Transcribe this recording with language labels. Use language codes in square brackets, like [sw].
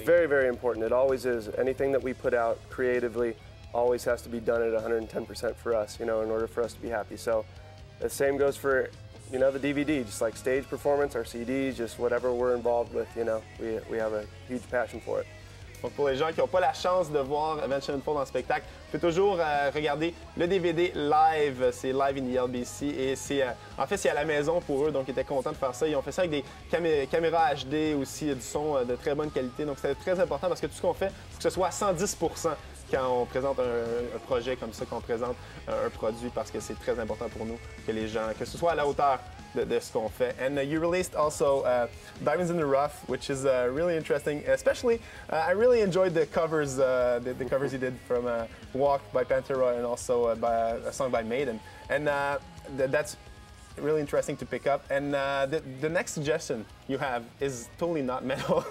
[en] It's very, very important. It always is. Anything that we put out creatively always has to be done at 110% for us, you know, in order for us to be happy. So. The same goes for, you know, the DVD, just like stage performance, our CDs, just whatever we're involved with, you know, we have a huge passion for it. [fr] Donc pour les gens qui n'ont pas la chance de voir Avenged Sevenfold en spectacle, vous pouvez toujours regarder le DVD live. C'est live in the LBC et c'est en fait, c'est à la maison pour eux, donc ils étaient contents de faire ça. Ils ont fait ça avec des caméras HD aussi, du son de très bonne qualité. Donc c'était très important parce que tout ce qu'on fait, il faut que ce soit à 110% quand on présente un projet comme ça, qu'on présente un produit parce que c'est très important pour nous que les gens, que ce soit à la hauteur de ce qu'on fait. [en] And you released also Diamonds in the Rough, which is really interesting. Especially, I really enjoyed the covers, the covers you did from Walk by Pantera and also by a song by Maiden. And that's really interesting to pick up. And the next suggestion you have is totally not metal.